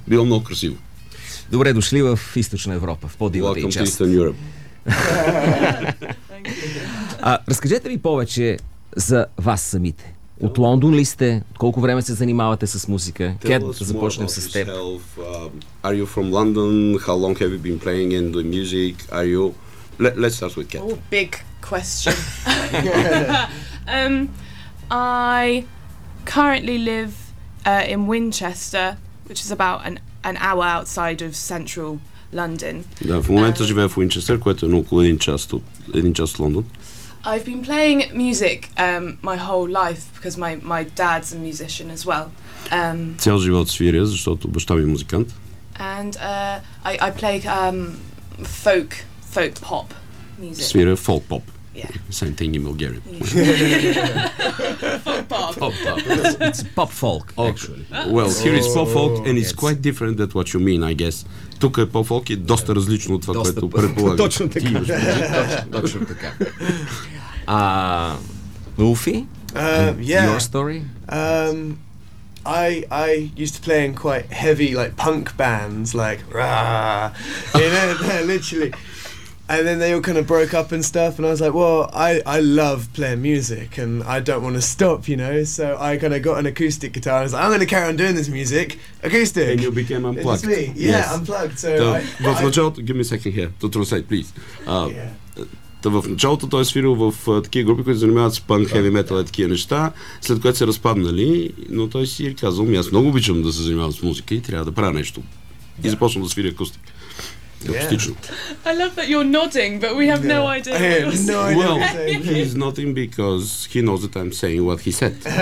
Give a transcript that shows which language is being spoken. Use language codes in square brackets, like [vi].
[bg] Било много красиво. Добре дошли в Източна Европа, в по-дивата [en] Welcome [bg] и част. [en] Eastern Europe. [bg] Разкажете ми повече за вас самите. От Лондон ли сте? Колко време се занимавате с музика? Кет, започнем с теб. [en] Are you from London? How long have you been playing and doing music? Are you... Let's start with Kat. Oh, big question. I currently live in Winchester, which is about an hour outside of central London. [bg] Да, в момента живея в Уинчестър, което е около един час от Лондон. [en] I've been playing music my whole life because my dad's a musician as well. [bg] Цял живот свиря, защото баща ми е музикант. [en] And I play folk pop. Music. [bg] Свира фолк поп. [en] Yeah. Same thing in Bulgarian. [bg] Фолк поп. [en] It's pop folk, actually. Well, here is pop folk and it's quite different than what you mean, I guess. [bg] Тук е pop folk и доста различно от това, което предполагам. Точно така. [en] Wolfy? Yeah. Your story? I used to play in quite heavy, like, punk bands, like, rah, you know, literally. And then they all kind of broke up and stuff, and I was like, well, I love playing music, and I don't want to stop, you know? So I kind of got an acoustic guitar, and I was like, I'm going to carry on doing this music, acoustic. And you became unplugged. It's me. Yeah, yes. Unplugged. [bg] В началото, [en] give me a second here, to translate, please. [bg] В началото той е свирил в такива групи, които занимават с панк, хеви метал и такива неща, след което се разпаднали, но той си е казал, аз много обичам да се занимавам с музика и трябва да правя нещо. И започна да свири акустик. Yeah. [en] I love that you're nodding, but we have no idea. I have no idea. Well, he's nodding because he knows that I'm saying what he said.